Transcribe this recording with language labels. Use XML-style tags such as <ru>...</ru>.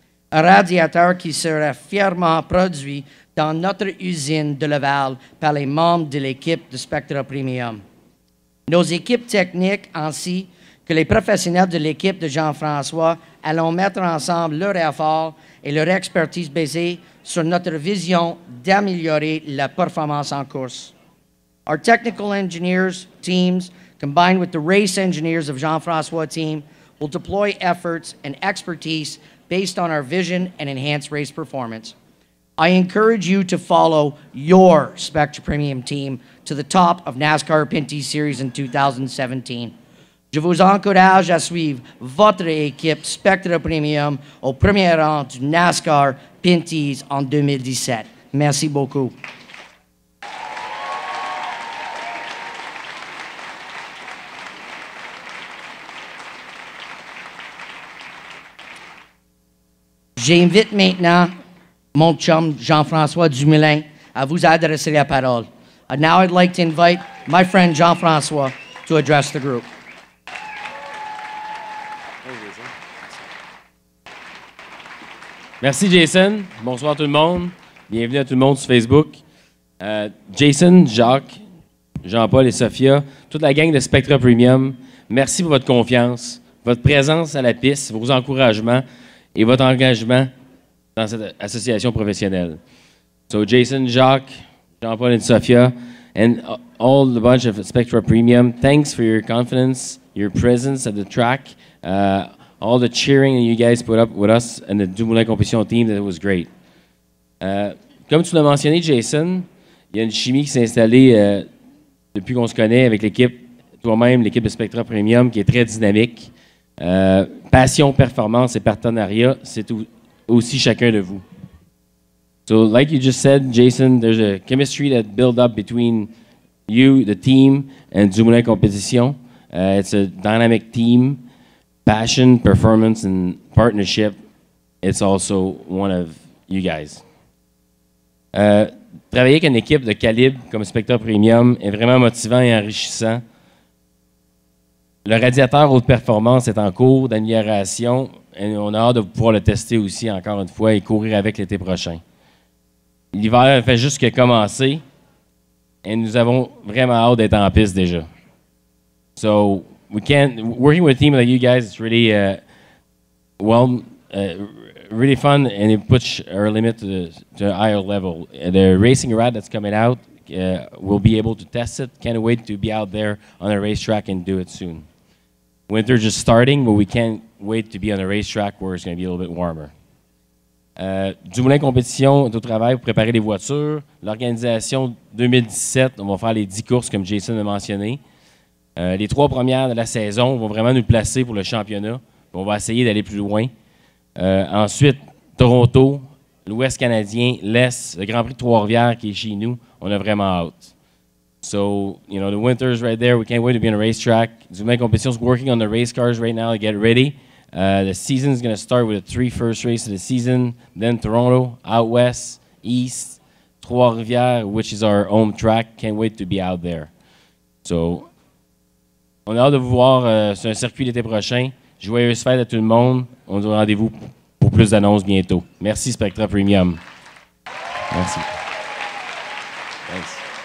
<fr>Un radiateur qui sera fièrement produit dans notre usine de Laval par les membres de l'équipe de Spectra Premium. Nos équipes techniques ainsi que les professionnels de l'équipe de Jean-François allons mettre ensemble leur effort et leur expertise basée sur notre vision d'améliorer la performance en course.</fr> <en>Our technical engineers teams, combined with the race engineers of Jean-François team, will deploy efforts and expertise based on our vision and enhanced race performance. I encourage you to follow your Spectra Premium team to the top of NASCAR Pinty Series in 2017.</en> <fr>Je vous encourage à suivre votre équipe Spectra Premium au premier rang du NASCAR Pinty's en 2017. Merci beaucoup. J'invite maintenant mon chum Jean-François Dumoulin à vous adresser la parole.</fr> <en>And now I'd like to invite my friend Jean-François to address the group.</en> <fr>Merci, Jason. Bonsoir, tout le monde. Bienvenue à tout le monde sur Facebook. Jason, Jacques, Jean-Paul et Sophia, toute la gang de Spectra Premium, merci pour votre confiance, votre présence à la piste, vos encouragements et votre engagement dans cette association professionnelle.</fr> <en>So, Jason, Jacques, Jean-Paul et Sophia, and all the bunch of Spectra Premium, thanks for your confidence, your presence at the track, all the cheering that you guys put up with us and the Dumoulin Competition team, that was great.</en> <fr>Comme tu l'as mentionné, Jason, il y a une chimie qui s'est installée depuis qu'on se connaît avec l'équipe, toi-même, l'équipe de Spectra Premium, qui est très dynamique. Passion, performance et partenariat, c'est aussi chacun de vous.</fr> <en>So, like you just said, Jason, there's a chemistry that build up between you, the team, and Dumoulin Competition. It's a dynamic team. passion, performance, and partnership, it's also one of you guys.</en> <fr>Travailler avec une équipe de calibre comme Spectra Premium est vraiment motivant et enrichissant. Le radiateur haute performance est en cours d'amélioration et on a hâte de pouvoir le tester aussi encore une fois et courir avec l'été prochain. L'hiver fait juste que commencer et nous avons vraiment hâte d'être en piste déjà.</fr> <en>So, we can't, working with a team like you guys is really, really fun, and it puts our limit to a higher level. The racing rod that's coming out, we'll be able to test it. Can't wait to be out there on a racetrack and do it soon. Winter just starting, but we can't wait to be on a racetrack where it's going to be a little bit warmer.</en> <fr>Dumoulin Compétition est au travail pour préparer les voitures. L'organisation 2017, on va faire les 10 courses comme Jason a mentionné. Les trois premières de la saison vont vraiment nous placer pour le championnat. On va essayer d'aller plus loin. Ensuite, Toronto, l'Ouest canadien, l'Est, le Grand Prix de Trois-Rivières qui est chez nous, on a vraiment hâte.</fr> <en>So, you know, the winter is right there. We can't wait to be on a racetrack. Dumoulin Compétition is working on the race cars right now to get ready. The season is going to start with the three first races of the season, then Toronto, out west, east, Trois-Rivières, which is our home track. Can't wait to be out there.</en> <fr>So, on a hâte de vous voir sur un circuit l'été prochain. Joyeuses fêtes à tout le monde. On se donne rendez-vous pour plus d'annonces bientôt. Merci, Spectra Premium. Merci. Thanks.</fr>